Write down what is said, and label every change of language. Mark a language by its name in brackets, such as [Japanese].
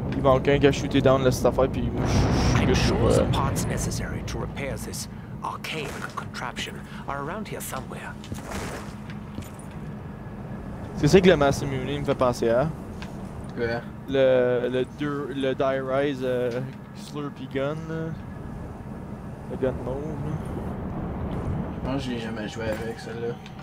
[French] Il manque un qui a shooté down le stuff et puis moi je suis good pour... [English] I'm sure the parts necessary to repair this archaic contraption are around here somewhere. [French] C'est ça que le Mass Immunity me fait penser à? Ouais. Le Die Rise Slurpy Gun. Le Gun Mode. Je pense que je l'ai jamais joué avec celle-là.